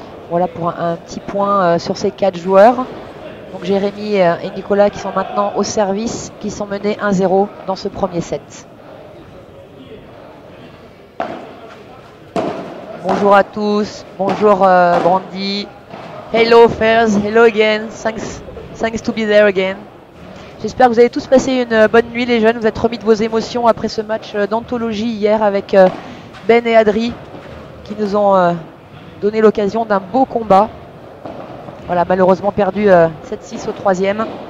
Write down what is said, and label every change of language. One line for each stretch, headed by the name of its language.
French: Voilà pour un petit point sur ces quatre joueurs. Donc Jérémy et Nicolas qui sont maintenant au service, qui sont menés 1-0 dans ce premier set. Bonjour à tous, bonjour Brandy.
English: Hello Fers, hello again, thanks to be there again.
French: J'espère que vous avez tous passé une bonne nuit les jeunes, vous êtes remis de vos émotions après ce match d'anthologie hier avec Ben et Adri qui nous ont donné l'occasion d'un beau combat. Voilà, malheureusement perdu 7-6 au troisième.